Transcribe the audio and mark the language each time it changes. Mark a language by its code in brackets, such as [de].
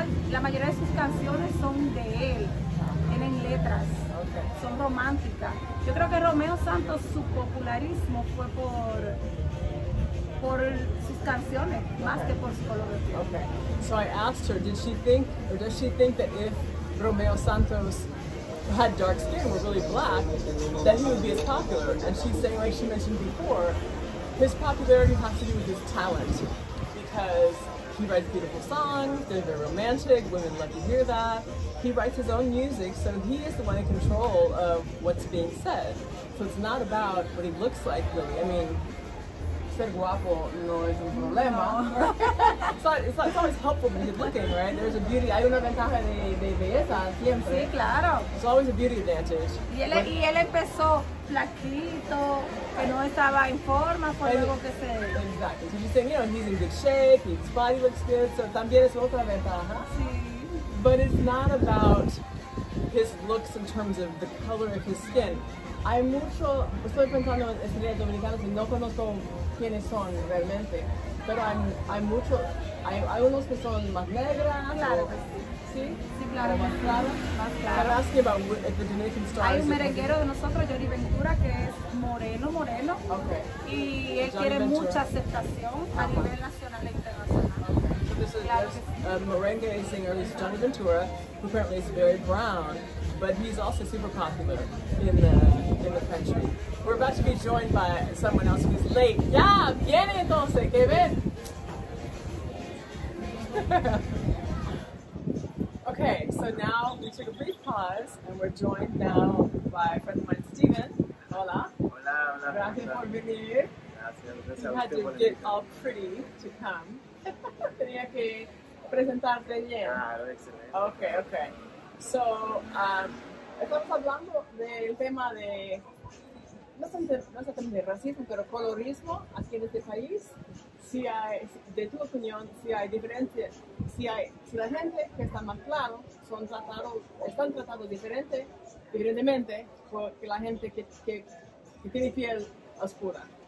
[es] La mayoría de sus canciones son de él, tienen letras, son románticas. Yo creo que Romeo Santos, su popularismo fue por sus canciones, [en] okay, [es] más que por su color de piel. [en] Okay. So I asked her, does she think that if Romeo Santos had dark skin, was really black, that he would be as popular? And she's saying, like she mentioned before, his popularity has to do with his talent, because he writes beautiful songs, they're very romantic, women love to hear that. He writes his own music, so he is the one in control of what's being said. So it's not about what he looks like, really. I mean, [es] ser guapo no es un problema. [en] It's always helpful to be good looking, right? There's a beauty, [es] hay una ventaja de belleza siempre. Sí, claro. [en] It's always a beauty advantage. [es] Y él empezó flaquito, que no estaba en forma, fue algo que se... [en] Exactly. So you say, you know, he's in good shape, his body looks good, so [es] también es otra ventaja. Sí. [en] But it's not about his looks in terms of the color of his skin. [es] Hay mucho, estoy pensando en estrellas dominicanas y no conozco quiénes son realmente, pero hay unos que son más negras. Claro. Sí, claro. Más claro. [en] Can I ask you about if the Dominican stars? [es] Hay un merenguero de nosotros, Johnny Ventura, que es moreno. [en] Okay. [es] Y él Johnny quiere Ventura. Mucha aceptación a nivel nacional e internacional. [en] Okay. So this is a merengue singer, who's Johnny Ventura, who apparently is very brown. But he's also super popular in the country. We're about to be joined by someone else who's late. [es] Ya, viene entonces, que ven. [en] Okay, so now we took a brief pause and we're joined now by a friend of mine, Steven. [es] Hola. Hola, hola. Gracias por venir. [en] You had to get all pretty to come. [es] Tenía que presentarte bien. Ah, excelente. [en] Okay, okay. [es] So, estamos hablando del tema de, no exactamente de racismo, pero colorismo aquí en este país. Si hay, de tu opinión, si hay diferencia, si la gente que está más claro están tratados diferentemente que la gente que tiene piel oscura.